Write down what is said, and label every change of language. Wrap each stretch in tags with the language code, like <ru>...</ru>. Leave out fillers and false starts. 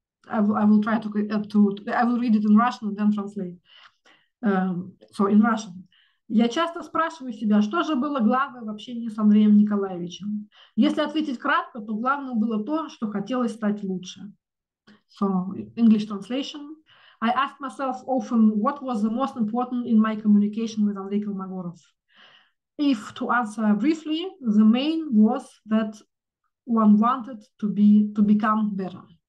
<en>I will read it in Russian and then translate. So in Russian.</en> <ru>Я часто спрашиваю себя, что же было главное в общении с Андреем Николаевичем? Если ответить кратко, то главное было то, что хотелось стать лучше.</ru> <en>So English translation. I ask myself often what was the most important in my communication with Andrey Kolmogorov. If to answer briefly, the main was that one wanted to become better.</en>